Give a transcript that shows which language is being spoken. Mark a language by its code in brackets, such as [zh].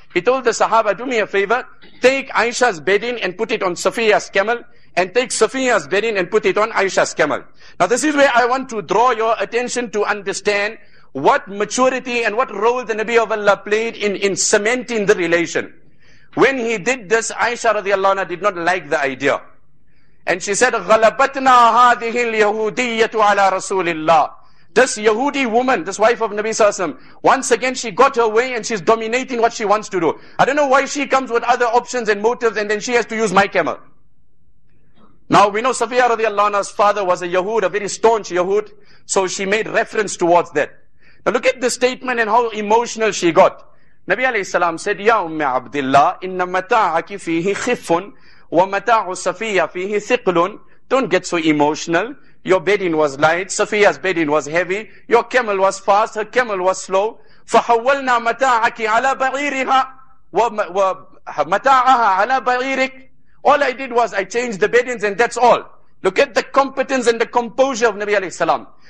[en] He told the Sahaba, do me a favor, take Aisha's bedding and put it on Safiya's camel, and take Safiya's bedding and put it on Aisha's camel. Now this is where I want to draw your attention to understand what maturity and what role the Nabi of Allah played in cementing the relation. When he did this, Aisha radiallahu anha did not like the idea. And she said, [ar] غَلَبَتْنَا هَذِهِ الْيَهُودِيَّةُ عَلَى رَسُولِ اللَّهِ. [en] This Yahudi woman, this wife of Nabi Sallallahu Alaihi Wasallam, once again she got her way and she's dominating what she wants to do. I don't know why she comes with other options and motives and then she has to use my camel. Now we know Safiya radiallahu anha's father was a Yahud, a very staunch Yahud. So she made reference towards that. Now look at the statement and how emotional she got. Nabi alayhi salam said, [ar] يَا أُمَّ عَبْدِ اللَّهِ إِنَّ مَتَاعَكِ فِيهِ خِفٌ وَمَتَاعُ صَفِيَّ فِيهِ ثِقْلٌ. [en] Don't get so emotional. Your bedding was light. Safiya's bedding was heavy. Your camel was fast. Her camel was slow. [ar] فَحَوَّلْنَا مَتَاعَكِ عَلَى بَغِيرِهَا وَمَتَاعَهَا عَلَى بَغِيرِكِ. [en] All I did was I changed the beddings and that's all. Look at the competence and the composure of Nabi alayhi salam.